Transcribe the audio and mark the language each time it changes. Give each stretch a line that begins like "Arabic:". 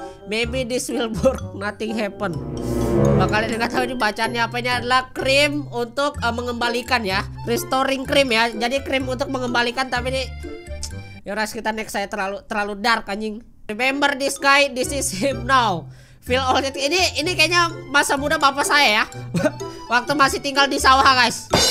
English: Maybe this will work, nothing happen.
Indonesian: Kalian nggak tahu ini bacanya apa, ini adalah krim untuk mengembalikan ya. Restoring cream ya. Jadi krim untuk mengembalikan, tapi ini yaudah kita next, saya terlalu dark anjing.
English: Remember this guy, this is him now. Feel old.
Indonesian: Ini kayaknya masa muda bapak saya ya. Waktu masih tinggal di sawah guys.